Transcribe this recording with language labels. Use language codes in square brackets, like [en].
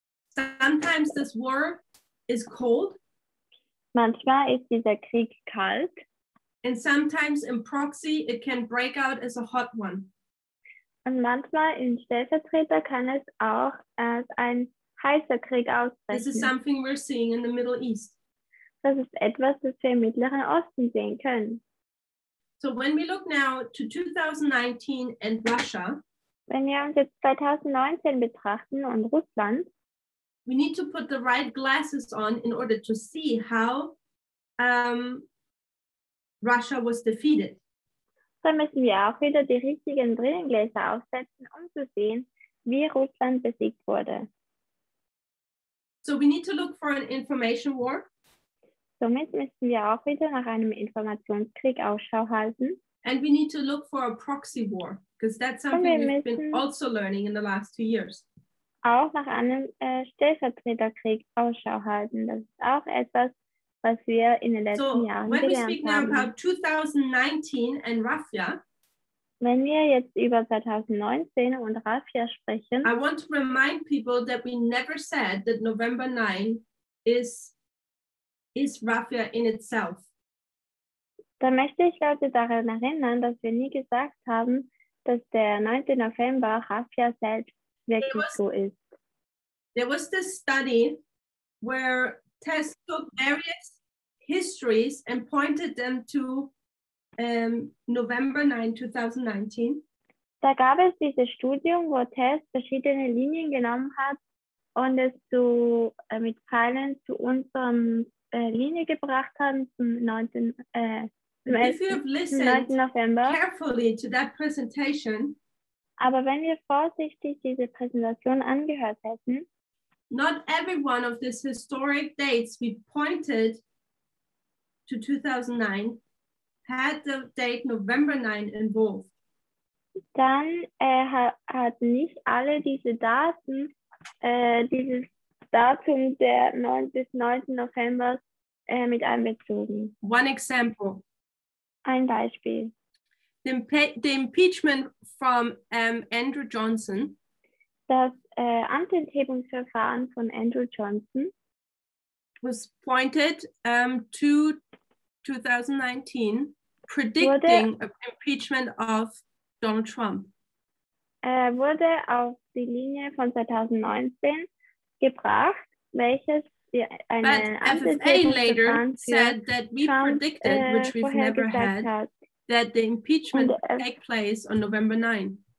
[en] Sometimes this war is cold. [de] Manchmal ist dieser Krieg kalt. [en] And sometimes in proxy it can break out as a hot one. [de] Und manchmal in Stellvertreter kann es auch als ein heißer Krieg ausbrechen. [en] This is something we're seeing in the Middle East. [de] Das ist etwas, das wir im Mittleren Osten sehen können. [en] So when we look now to 2019 and Russia, [de] wenn wir uns jetzt 2019 betrachten und Russland, [en] we need to put the right glasses on in order to see how Russia was defeated. [de] Da müssen wir auch wieder die richtigen Brillengläser aufsetzen, um zu sehen, wie Russland besiegt wurde. [en] So we need to look for an information war. [de] Somit müssen wir auch wieder nach einem Informationskrieg Ausschau halten. [en] And we need to look for a proxy war, because that's something we've been also learning in the last 2 years. [de] Auch nach einem Stellvertreterkrieg Ausschau halten. Das ist auch etwas, was wir in den letzten Jahren gelernt haben. [en] So, when we speak now about 2019 and Rafia, [de] wenn wir jetzt über 2019 und Rafia sprechen, [en] I want to remind people that we never said that November 9 is Rafia in itself. [de] Da möchte ich Leute daran erinnern, dass wir nie gesagt haben, dass der 9. November Rafia selbst wirklich so ist. [en] There was this study where Tess took various histories and pointed them to November 9, 2019. [de] Da gab es dieses Studium, wo Tess verschiedene Linien genommen hat und es zu, mit Pfeilen zu unserem Linie gebracht hat, zum 9. November. [en] Carefully to that presentation, [de] aber wenn wir vorsichtig diese Präsentation angehört hätten, not every one of these historic dates we pointed to 2009 had the date November 9 involved. Dann hat nicht alle diese Daten, dieses Datum der 9. November mit einbezogen. [en] One example. [de] Ein Beispiel. [en] The impeachment from Andrew Johnson. [de] Das Amtsenthebungsverfahren von Andrew Johnson [en] was pointed to 2019, predicting impeachment of Donald Trump. [de] Wurde auf die Linie von 2019 gebracht, welches eine Amtsenthebung [en] later said that we [de] Trump, [en] predicted, which we've never had, [de] hat. [en] That the impeachment would take place on November 9th.